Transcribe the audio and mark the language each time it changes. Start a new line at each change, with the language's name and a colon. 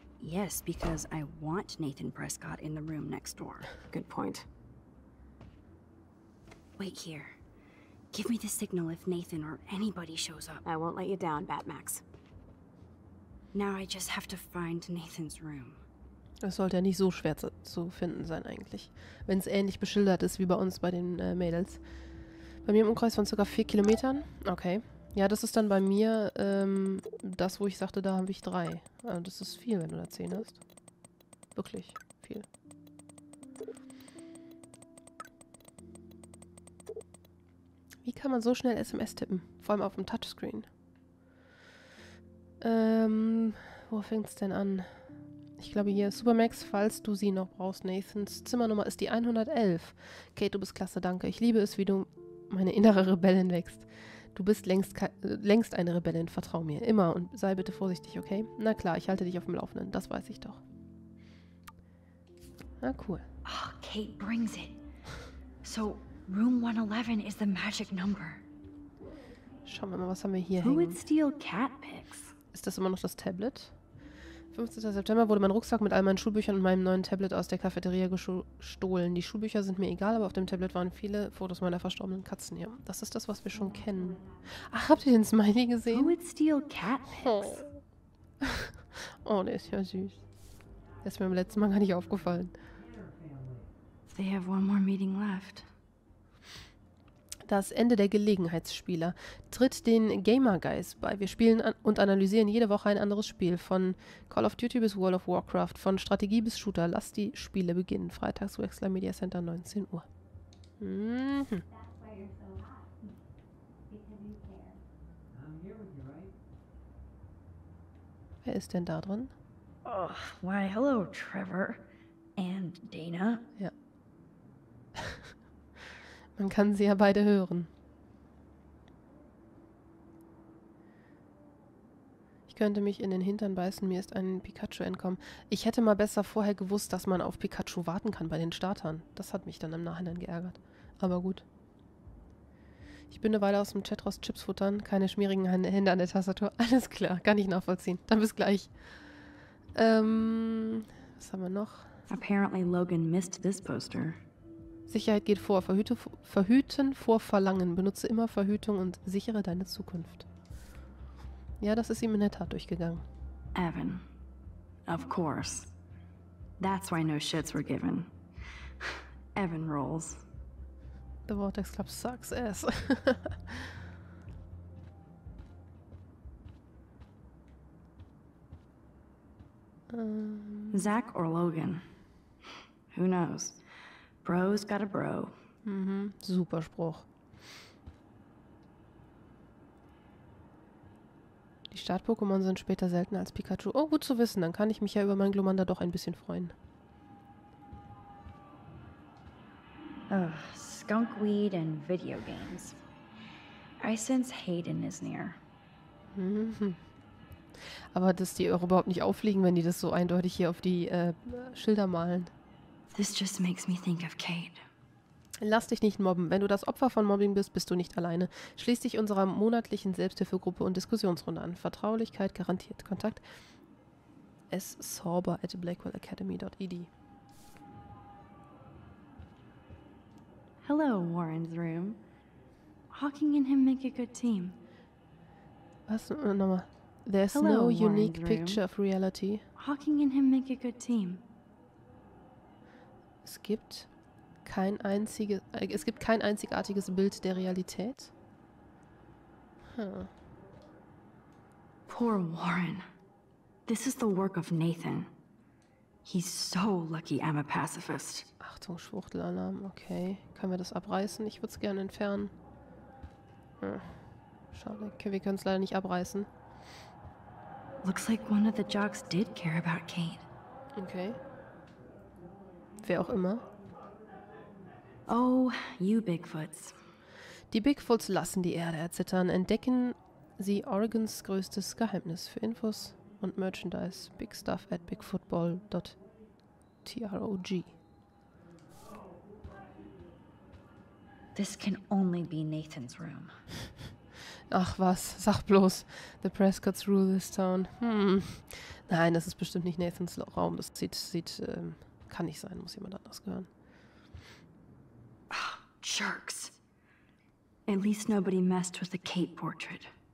English: Yes, because I want Nathan Prescott in the room next door. Good point. Wait here. Give me the signal if Nathan or anybody shows up. I won't let you down, Batmax. Now I just have to find Nathan's room.
German: Das sollte ja nicht so schwer zu finden sein eigentlich. Wenn es ähnlich beschildert ist wie bei uns bei den Mädels. Bei mir im Umkreis von ca. 4 Kilometern. Okay. Ja, das ist dann bei mir das, wo ich sagte, da habe ich 3. Also das ist viel, wenn du da 10 hast. Wirklich viel. Wie kann man so schnell SMS tippen? Vor allem auf dem Touchscreen. Wo fängt's denn an? Ich glaube, hier ist Supermax, falls du sie noch brauchst. Nathans Zimmernummer ist die 111. Kate, du bist klasse, danke. Ich liebe es, wie du meine innere Rebellin wächst. Du bist längst eine Rebellin, vertrau mir. Immer und sei bitte vorsichtig, okay? Na klar, ich halte dich auf dem Laufenden, das weiß ich doch. Na cool.
English: Oh, Kate brings it. So, room 111 is the magic number.
German: Schauen wir mal, was haben wir hier hängen.
English: Who would steal cat pics?
German: Ist das immer noch das Tablet? 15. September wurde mein Rucksack mit all meinen Schulbüchern und meinem neuen Tablet aus der Cafeteria gestohlen. Die Schulbücher sind mir egal, aber auf dem Tablet waren viele Fotos meiner verstorbenen Katzen hier. Das ist das, was wir schon kennen. Ach, habt ihr den Smiley gesehen?
English: Who would steal cat pics?
German: Oh, der ist ja süß. Der ist mir beim letzten Mal gar nicht aufgefallen.
English: They have one more meeting left.
German: Das Ende der Gelegenheitsspieler. Tritt den Gamer-Guys bei. Wir spielen und analysieren jede Woche ein anderes Spiel. Von Call of Duty bis World of Warcraft. Von Strategie bis Shooter. Lass die Spiele beginnen. Freitags Wechsler Media Center, 19 Uhr. Wer ist denn da drin? Oh, why, hello, Trevor. And Dana. Ja. Man kann sie ja beide hören. Ich könnte mich in den Hintern beißen, mir ist ein Pikachu entkommen. Ich hätte mal besser vorher gewusst, dass man auf Pikachu warten kann bei den Startern. Das hat mich dann im Nachhinein geärgert. Aber gut. Ich bin eine Weile aus dem Chat raus Chips futtern. Keine schmierigen Hände an der Tastatur. Alles klar, kann ich nachvollziehen. Dann bis gleich. Was haben wir noch?
English: Apparently Logan missed this poster.
German: Sicherheit geht vor. Verhüten vor Verlangen. Benutze immer Verhütung und sichere deine Zukunft. Ja, das ist ihm in der Tat durchgegangen.
English: Evan. Of course. That's why no shits were given. Evan rolls. The Vortex Club sucks ass. Zach or Logan? Who knows? Bro's got a bro.
German: Mhm. Super Spruch. Die Start-Pokémon sind später seltener als Pikachu. Oh, gut zu wissen. Dann kann ich mich ja über meinen Glumanda doch ein bisschen freuen.
English: Ugh, Skunkweed and video games. I sense Hayden is near.
German: Aber dass die auch überhaupt nicht auffliegen, wenn die das so eindeutig hier auf die Schilder malen.
English: This just makes me think of Kate.
German: Lass dich nicht mobben. Wenn du das Opfer von Mobbing bist, bist du nicht alleine. Schließ dich unserer monatlichen Selbsthilfegruppe und Diskussionsrunde an. Vertraulichkeit garantiert. Kontakt ssorber@blackwellacademy.ed.
English: Hello, Warren's room. Hawking and him make a good team.
German: Was? Nochmal.
English: There's Hello, no Warren's unique room. Picture of reality. Hawking and him make a good team.
German: Es gibt kein einziges, es gibt kein einzigartiges Bild der Realität.
English: Huh. Poor Warren. This is the work of Nathan. He's so lucky I'm a pacifist.
German: Achtung, Schwuchtelalarm. Okay. Können wir das abreißen? Ich würde es gerne entfernen. Schade. Okay, wir können es leider nicht abreißen.
English: Looks like one of the jocks did care about Kate.
German: Okay. Wer auch immer.
English: Oh, you Bigfoots.
German: Die Bigfoots lassen die Erde erzittern. Entdecken sie Oregons größtes Geheimnis. Für Infos und Merchandise. bigstuff@bigfootball.trog.
English: This can only be Nathan's room.
German: Ach was, sag bloß.
English: The Prescotts rule this town.
German: Nein, das ist bestimmt nicht Nathans Raum. Das kann nicht sein, muss jemand anders gehören.
English: Oh, jerks. At least nobody messed with the Kate portrait.